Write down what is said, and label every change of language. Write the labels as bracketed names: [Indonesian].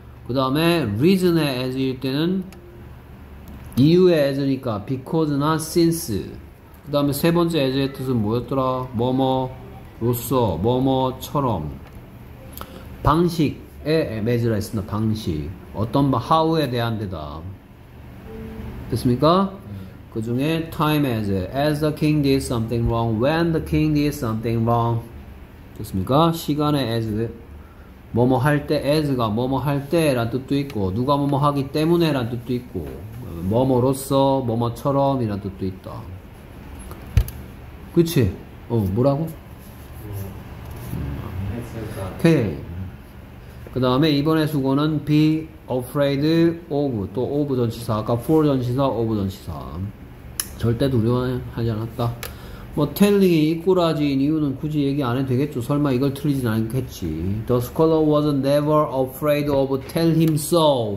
[Korean] 그 다음에 reason의 as일 때는 이유의 as니까 because나 since. 그 다음에 세 번째 as의 뜻은 뭐였더라? 뭐뭐로서, 뭐뭐처럼. 방식의 as라 했습니다. 방식. 어떤 바, how에 대한 데다. 됐습니까? 그 중에 [English] time as the king did something wrong, when the king did something wrong. [Korean] 됐습니까? 시간의 as. 뭐뭐 할 때, as가 뭐뭐 할 때란 뜻도 있고, 누가 뭐뭐 하기 때문에란 뜻도 있고, 뭐뭐로서, 뭐뭐처럼 이란 뜻도 있다. 그치? 뭐라고? 오케이. 그 다음에 이번에 수고는 be afraid of, 또 of 전치사, 아까 for 전치사, of 전치사. 절대 두려워하지 않았다. 뭐, telling이 이꾸라지인 이유는 굳이 얘기 안 해도 되겠죠. 설마 이걸 틀리진 않겠지. [English] The scholar was never afraid of tell him so.